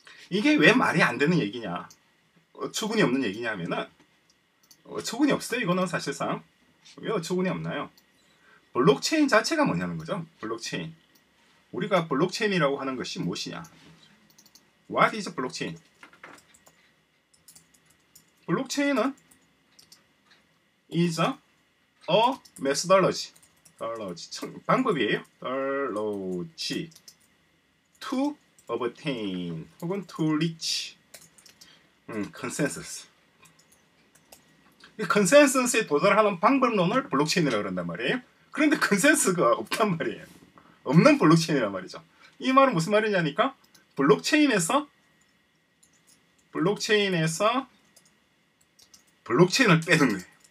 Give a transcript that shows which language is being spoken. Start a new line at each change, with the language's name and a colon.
Korean: 이게 왜 말이 안 되는 얘기냐, 어처구니 없는 얘기냐 하면은, 어처구니 없어요. 이거는 사실상 왜 어처구니 없나요? 블록체인 자체가 뭐냐는 거죠. 블록체인, 우리가 블록체인이라고 하는 것이 무엇이냐.
English: What is a blockchain?
Korean: 블록체인은
English: is a methodology,
Korean: 방법이에요.
English: methodology to obtain
Korean: 혹은
English: to reach consensus.
Korean: consensus에 도달하는 방법론을 블록체인이라고 그런단 말이에요. 그런데 consensus가 없단 말이에요. 없는 블록체인이란 말이죠. 이 말은 무슨 말이냐니까, 블록체인에서 블록체인을 빼는 거예요.